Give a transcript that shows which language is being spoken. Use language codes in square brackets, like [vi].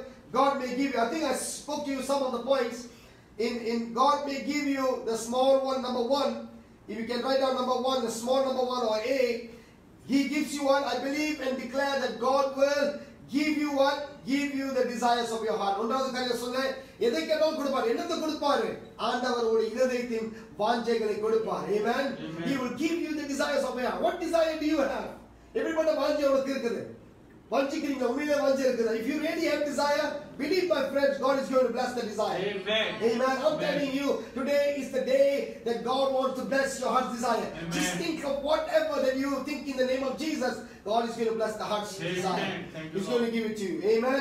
[en] God may give you. I think I spoke to you some of the points. In God may give you the small one, number one. If you can write down number one, the small number one or A. He gives you one. I believe and declare that God will give you what? Give you the desires of your heart. One other thing I said, [ta] எதை கேட்டாலும் கொடுப்பார். என்னத்தை கொடுப்பார்? ஆண்டவர் ஒரு இருதயத்தின் வாஞ்சைகளை கொடுப்பார். [en] Amen. He will give you the desires of your heart. What desire do you have? [ta] எப்படிப்பட்ட வாஞ்சை உனக்கு இருக்குது? வாஞ்சிக்கிறீங்க, உண்மையிலே வாஞ்சை இருக்குது. [en] If you really have desire, believe my friends, God is going to bless the desire. Amen. Amen. I'm telling you, today is the day that God wants to bless your heart's desire. Amen. Just think of whatever that you think in the name of Jesus, God is going to bless the heart's Amen. Desire. Thank He's you, going Lord. To give it to you. Amen.